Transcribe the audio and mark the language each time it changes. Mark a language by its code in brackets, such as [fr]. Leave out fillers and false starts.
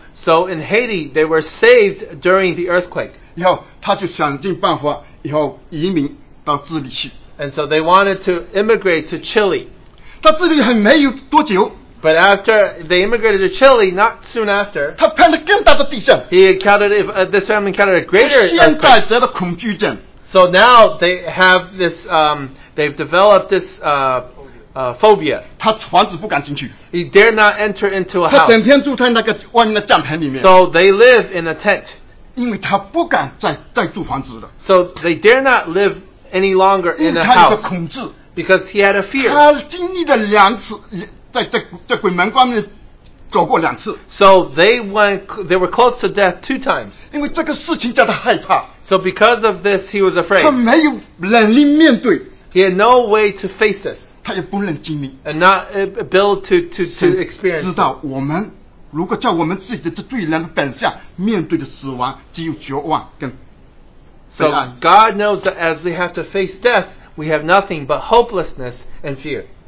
[en] So in Haiti they were saved during the earthquake. [zh] 以后他就想尽办法以后移民到智利去 [en] And so they wanted to immigrate to Chile. [zh] 到智利还没有多久 [en] But after they immigrated to Chile not soon after [zh] 他碰了更大的地震 [en] This family encountered a greater earthquake. [zh] 现在得了恐惧症 [en] So now they have thisThey've developed this phobia. [zh] 他房子不敢进去。 [en] He dare not enter into a house. [zh] 他整天住在那个外面的帐篷里面。 [en] So they live in a tent. [zh] 因为他不敢再住房子了。 [en] So they dare not live any longer in a house. [zh] 因为他有个恐惧。 [en] Because he had a fear. [zh] 他经历了两次在鬼门关里走过两次。 [en] So they were close to death two times. [zh] 因为这个事情叫他害怕。 [en] So because of this, he was afraid. [zh] 他没有能力面对。 [en] He had no way to face this. And not able to experience. [zh] 知道我们如果叫我们自己的罪人本相面对的死亡只有绝望跟 [en] So God knows that as we have to face death, we have nothing but hopelessness and fear.